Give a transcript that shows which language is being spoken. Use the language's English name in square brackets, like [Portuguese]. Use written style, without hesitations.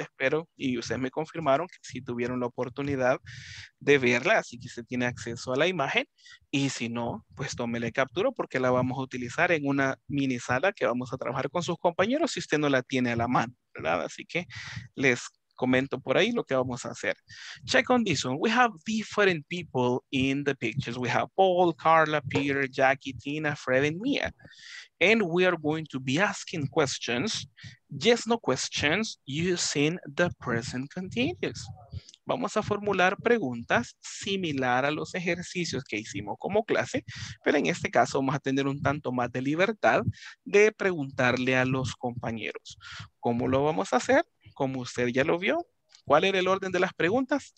[Spanish] Espero, y ustedes me confirmaron que sí tuvieron la oportunidad de verla, así que usted tiene acceso a la imagen. Y si no, pues tómele captura porque la vamos a utilizar en una mini sala que vamos a trabajar con sus compañeros si usted no la tiene a la mano, ¿verdad? Así que les comento por ahí lo que vamos a hacer. [English] Check on this one. We have different people in the pictures. We have Paul, Carla, Peter, Jackie, Tina, Fred, and Mia. And we are going to be asking questions, yes, no questions, using the present continuous. [Spanish] Vamos a formular preguntas similar a los ejercicios que hicimos como clase, pero en este caso vamos a tener un tanto más de libertad de preguntarle a los compañeros. ¿Cómo lo vamos a hacer? Como usted ya lo vio, ¿cuál era el orden de las preguntas?